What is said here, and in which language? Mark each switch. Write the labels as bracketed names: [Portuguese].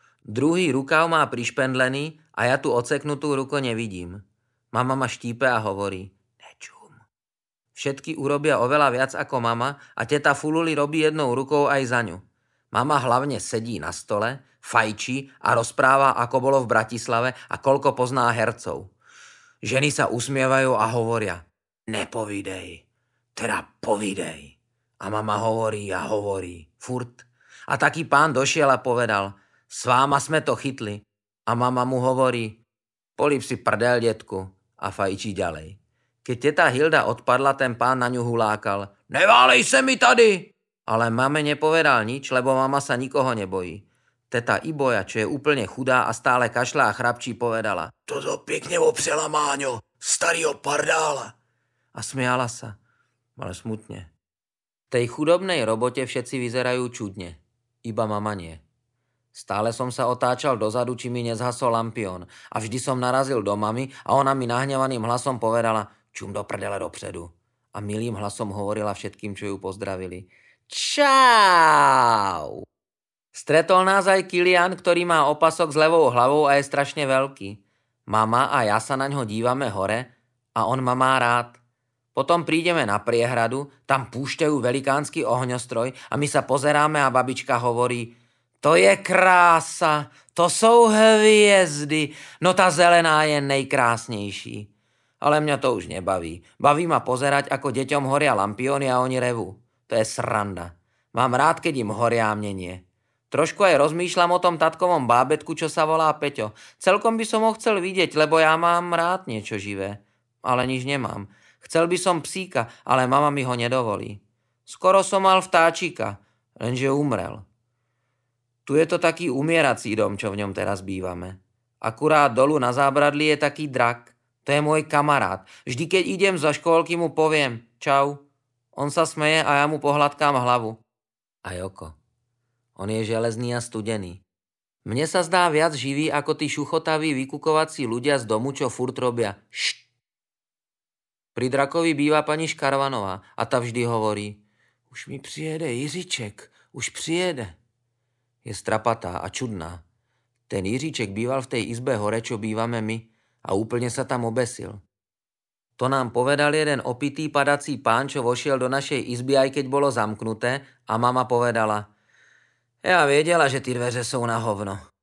[Slovak] Druhý rukav má prišpendlený a ja tu oceknutú ruku nevidím. Mama ma štípe a hovorí, nečum. Všetky urobia oveľa viac ako mama a teta Fululi robí jednou rukou aj za ňu. Mama hlavne sedí na stole, fajčí a rozpráva, ako bolo v Bratislave a koľko pozná hercov. Ženy sa usmievajú a hovoria, [Czech] nepovídej, teda povídej. [Slovak] A mama hovorí a hovorí, furt. A taký pán došiel a povedal, s váma sme to chytli. A mama mu hovorí, políp si prdel, detku, a fajčí ďalej. Keď teta Hilda odpadla, ten pán na ňu hulákal, [Czech] neválej se mi tady! [Slovak] Ale mame nepovedal nič, lebo mama sa nikoho nebojí. Teta Iboja, čo je úplne chudá a stále kašľa a chrapčí, povedala, toto pekne opřela, Máňo, starýho pardála. A smiala sa, ale smutne. V tej chudobnej robote všetci vyzerajú čudne, iba mama nie. Stále som sa otáčal dozadu, či mi nezhasol lampión. A vždy som narazil do mami a ona mi nahnevaným hlasom povedala, [Czech] čum do prdele dopředu. [Slovak] A milým hlasom hovorila všetkým, čo ju pozdravili. Čau! Stretol nás aj Kilian, ktorý má opasok s levou hlavou a je strašne veľký. Mama a ja sa na ňo dívame hore a on ma má rád. Potom prídeme na priehradu, tam púšťajú velikánsky ohňostroj a my sa pozeráme a babička hovorí, to je krása, to sú hviezdy, no tá zelená je nejkrásnejší. Ale mňa to už nebaví. Baví ma pozerať, ako deťom horia lampióny a oni revú. To je sranda. Mám rád, keď im horia a mne nie. Trošku aj rozmýšľam o tom tatkovom bábetku, čo sa volá Peťo. Celkom by som ho chcel vidieť, lebo ja mám rád niečo živé. Ale nič nemám. Chcel by som psíka, ale mama mi ho nedovolí. Skoro som mal vtáčika, lenže umrel. Tu je to taký umierací dom, čo v ňom teraz bývame. Akurát dolu na zábradlí je taký drak. To je môj kamarát. Vždy, keď idem za školky, mu poviem čau. On sa smeje a ja mu pohladkám hlavu. A oko. On je železný a studený. Mne sa zdá viac živý ako tí šuchotaví vykukovací ľudia z domu, čo furt robia. Št! Pri drakovi býva pani Škarvanová a ta vždy hovorí, [Czech] už mi přijede Jiříček, už přijede. [Slovak] Je strapatá a čudná. Ten Jiříček býval v tej izbe hore, čo bývame my, a úplne sa tam obesil. To nám povedal jeden opitý padací pán, čo vošiel do našej izby, aj keď bolo zamknuté, a mama povedala, ja vedela, že tí dveře sú na hovno.